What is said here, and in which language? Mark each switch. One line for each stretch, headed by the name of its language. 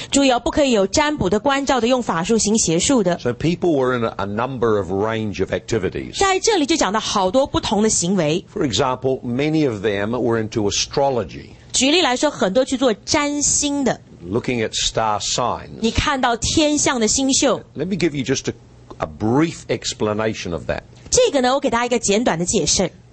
Chinese: 注意哦，不可以有占卜的、观照的、用法术行邪术的。
English: So people were in a number of range of activities.
Chinese: 在这里就讲到好多不同的行为。
English: For example, many of them were into astrology.
Chinese: 举例来说，很多去做占星的。
English: Looking at star signs.
Chinese: 你看到天象的星宿。
English: Let me give you just a brief explanation of that.
Chinese: 这个呢，我给大家一个简短的解释。